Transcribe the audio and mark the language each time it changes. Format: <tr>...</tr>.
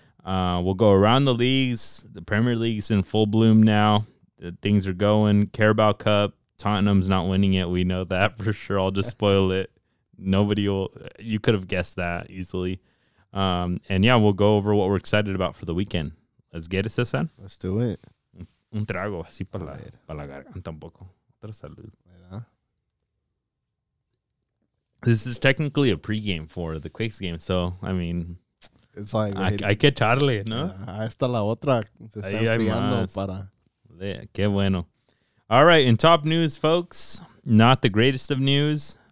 <en>We'll go around the leagues. The Premier League's in full bloom now. Things are going. Carabao Cup. Tottenham's not winning it. We know that for sure. I'll just spoil it. Nobody will. You could have guessed that easily. And yeah, we'll go over what we're excited about for the weekend. Let's get it, Cesar. Let's do it.</en> <es>Un trago así para la garganta un poco. Otra salud. Yeah.</es> <en>This is technically a pregame for the Quakes game. So, I mean, it's like,</en> <es>hay que echarle, ¿no? Hasta la otra. Se está enfriando para.</es> <en>Yeah,</en> <es>qué bueno.</es> <en>All right, in top news, folks, not the greatest of news.</en>